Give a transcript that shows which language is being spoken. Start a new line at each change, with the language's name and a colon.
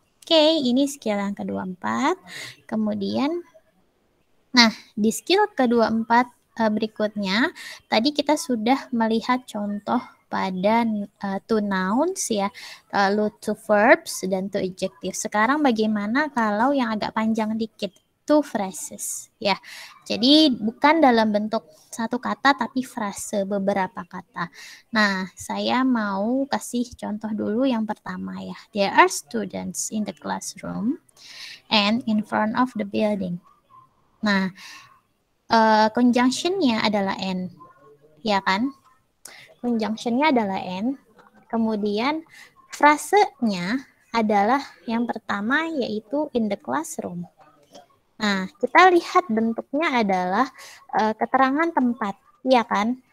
Indonesian: Okay, ini skill yang kedua empat. Kemudian, nah di skill kedua empat berikutnya, tadi kita sudah melihat contoh pada to nouns ya, lalu to verbs dan to adjectives. Sekarang bagaimana kalau yang agak panjang dikit, to phrases ya. Jadi bukan dalam bentuk satu kata tapi frase, beberapa kata. Nah, saya mau kasih contoh dulu yang pertama ya.
English: There are students in the classroom and in front of the building.
Indonesian: Nah, conjunction-nya adalah and, ya kan? Conjunction-nya adalah and. Kemudian frase-nya adalah yang pertama yaitu
English: in the classroom.
Indonesian: Nah, kita lihat bentuknya adalah keterangan tempat, ya kan?